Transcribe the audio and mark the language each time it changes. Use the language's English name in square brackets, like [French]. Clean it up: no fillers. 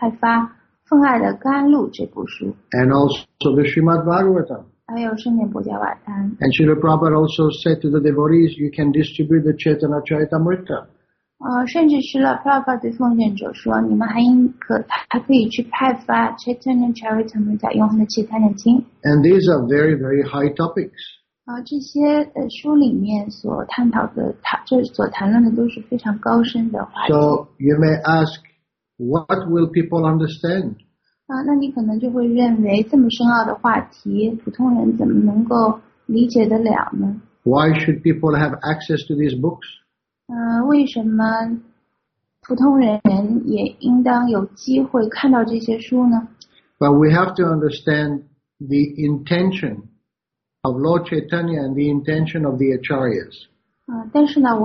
[Chinese] 而且从一开始，奉献者也开始向公众派发《奉爱的甘露》这部书。 [English] And also the Srimad Bhagavatam. [Chinese] 还有圣严伯伽瓦坛。 [English] And Srila Prabhupada also said to the devotees, you can distribute the Chaitanya Charitamrita. [Chinese] 甚至Srila Prabhupada对奉献者说，你们还可以去派发 Chaitanya Charitamrita, 用他的契丹念经。 [English] And these are very, very high topics. [Chinese] 这些书里面所探讨的，所谈论的都是非常高深的话题。 [English] So you may ask, what will people understand? [Chinese] 那你可能就会认为这么深奥的话题，普通人怎么能够理解得了呢？ [English] Why should people have access to these books? [Chinese] 为什么普通人也应当有机会看到这些书呢？ [English] But we have to understand the intention of Lord Chaitanya and the intention of the Acharyas.